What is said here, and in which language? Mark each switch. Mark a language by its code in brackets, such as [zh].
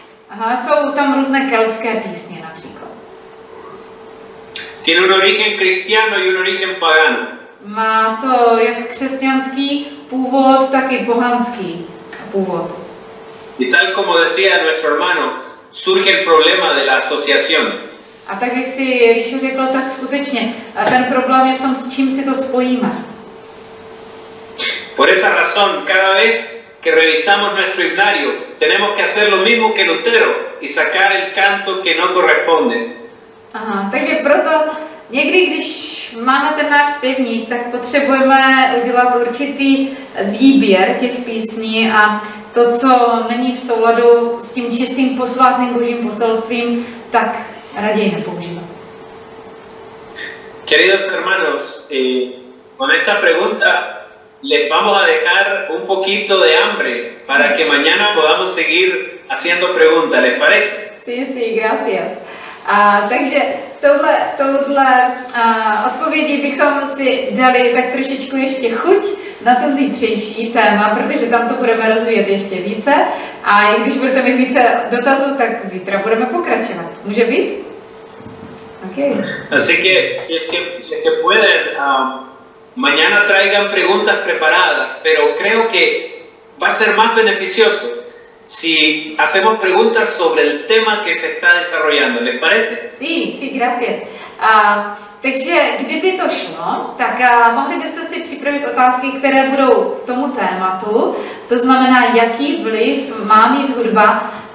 [cs] Aha, jsou tam různé keltské písně například. [es] Tiene un origen cristiano y un origen pagano. [cs] Má to jak křesťanský původ, tak i pohanský původ. [es] Y tal como decía nuestro hermano, surge el problema de la asociación. [cs] A tak jak si Ríšo řekl, tak skutečně a ten problém je v tom, s čím si to spojíme. [es] Por esa razón, cada vez que revisamos nuestro himnario, tenemos que hacer lo mismo que Lutero y sacar el canto que no corresponde. [cs] Aha, takže proto někdy, když máme ten náš zpěvník, tak potřebujeme udělat určitý výběr těch písní a to, co není v souladu s tím čistým posvátným božím poselstvím, tak raději nepoužívat. [es] Queridos hermanos, con esta pregunta les vamos a dejar un poquito de hambre para que mañana podamos seguir haciendo preguntas, ¿les parece? Sí, sí, gracias. [cs] Takže touhle odpovědí bychom si dali tak trošičku ještě chuť na to zítřejší téma, protože tam to budeme rozvíjet ještě více. A i když budete mít více dotazů, tak zítra budeme pokračovat. Může být? OK. [es] Así que pueden, mañana traigan preguntas preparadas, pero creo que va a ser más beneficioso si hacemos preguntas sobre el tema que se está desarrollando, ¿les parece? Sí, sí, gracias. [cs] Takže kdyby to šlo, tak mohli byste si připravit otázky, které budou k tomu tématu, to znamená, jaký vliv má mít hudba.